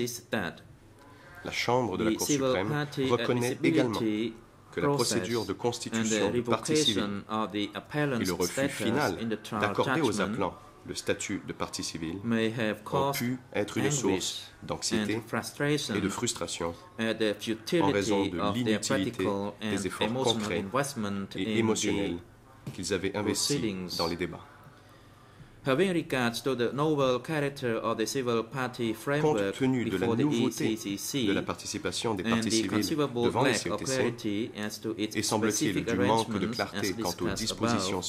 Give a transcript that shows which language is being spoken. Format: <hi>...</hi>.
<fr>La chambre de la Cour suprême reconnaît également que la procédure de constitution de partie civile et le refus final d'accorder aux appelants le statut de partie civile ont pu être une source d'anxiété et de frustration en raison de l'inutilité des efforts concrets et émotionnels qu'ils avaient investis dans les débats.</fr> <en>Having regard to the novel character of the civil party framework</en> <fr>compte tenu de la nouveauté de la participation des parties civiles devant les CETC et semble-t-il du manque de clarté quant aux dispositions</fr>